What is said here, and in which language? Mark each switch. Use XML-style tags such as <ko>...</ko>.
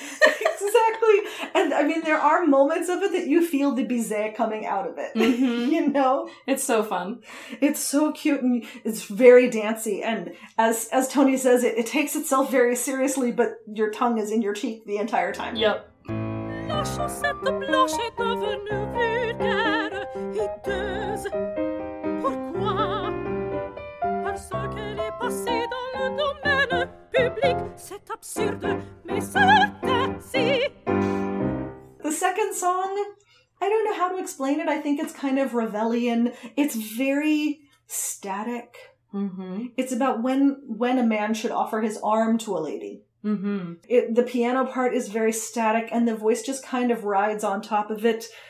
<en>Exactly. And I mean, there are moments of it that you feel the bizet coming out of it. Mm-hmm. You know? It's so fun. It's so cute and it's very dancey. And as Tony says, it takes itself very seriously, but your tongue is in your cheek the entire time. Yep.</en> <fr>La chaussette de blanche est devenue vulgaire, hideuse. Pourquoi? Parce qu'elle est passée dans le domaine public. C'est absurde, mais c'est ainsi.</fr> <en>The second song, I don't know how to explain it. I think it's kind of Ravelian. It's very static. Mm-hmm. It's about when a man should offer his arm to a lady. Mm-hmm. The piano part is very static, and the voice just kind of rides on top of it.</en>